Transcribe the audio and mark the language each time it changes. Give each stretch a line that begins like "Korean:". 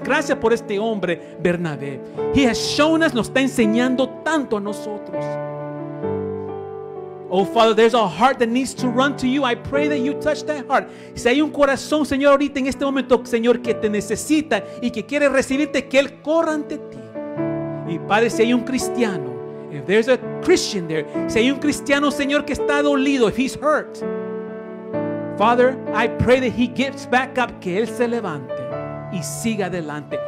Spanish: Gracias por este hombre, Bernabé.
English: He has shown us,
Spanish: nos está enseñando tanto a nosotros.
English: Oh, Father, there's a heart that needs to run to you. I pray that you touch that heart.
Spanish: Si hay un corazón, Señor, ahorita en este momento, Señor, que te necesita y que quiere recibirte, que él corra ante ti. Y Padre, si hay un cristiano,
English: if there's a Christian there,
Spanish: si hay un cristiano, Señor, que está dolido,
English: if he's hurt, Father,
Spanish: I pray that he gets back up, que él se levante y siga adelante.